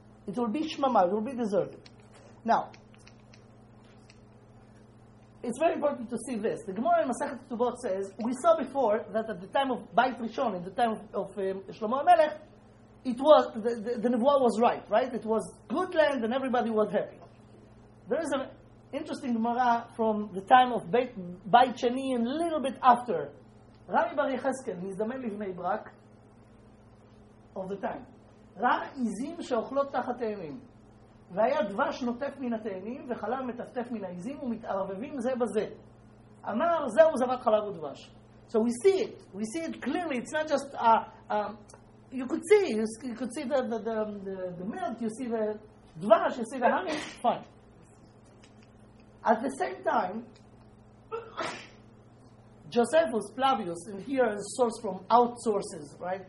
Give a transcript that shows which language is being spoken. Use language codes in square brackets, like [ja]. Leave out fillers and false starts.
[en] It will be shmama, it will be deserted. Now, it's very important to see this. The Gemara in Masechet Ketubot says, we saw before that at the time of Bayit Rishon, in the time of Shlomo HaMelech, it was the Nevuah was right, right? It was good land and everybody was happy. There is an interesting Gemara from the time of Bayit Sheni and a little bit after. Rami Bar Yecheskel, he's the man of Bnei Brak of the time. [he] Ra'izim she'ochlot tachat ha'emim. והיה דבש נוטף מן התאנים וחלב מטפטף מן העיזים ומתערבבים זה בזה. אמר, זהו זבת חלב ודבש. [en] So we see it. We see it clearly. It's not just you could see. You could see the milk. You see the דבש. You see the honey. Fine. At the same time, Josephus Flavius, and here is a source from outsources, right?